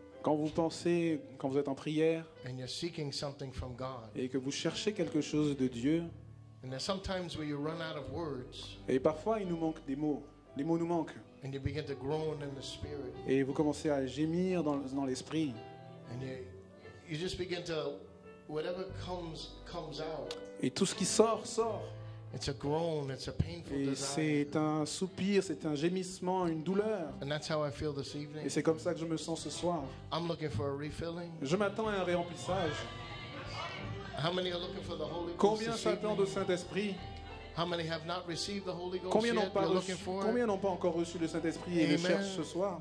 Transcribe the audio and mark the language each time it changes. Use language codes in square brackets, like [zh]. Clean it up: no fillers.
[fr] Quand vous pensez, quand vous êtes en prière, [en] and you're seeking something from God. [fr] Et que vous cherchez quelque chose de Dieu, [en] and there's sometimes where you run out of words. [fr] Et parfois il nous manque des mots. Les mots nous manquent. [en] And you begin to groan in the spirit. [fr] Et vous commencez à gémir dans l'esprit. [en] And you just begin to, whatever comes out. [fr] Et tout ce qui sort, sort. [en] It's a groan, it's a painful desire. [fr] C'est un soupir, c'est un gémissement, une douleur. [en] And that's how I feel this evening. [fr] Et c'est comme ça que je me sens ce soir. [en] I'm looking for a refilling. [fr] Je m'attends à un réemplissage. [en] How many are looking for the Holy Ghost? [fr] Combien s'attendent au Saint-Esprit? [en] How many have not received the Holy Ghost yet? [fr] Combien n'ont pas encore reçu le Saint-Esprit et le cherchent ce soir?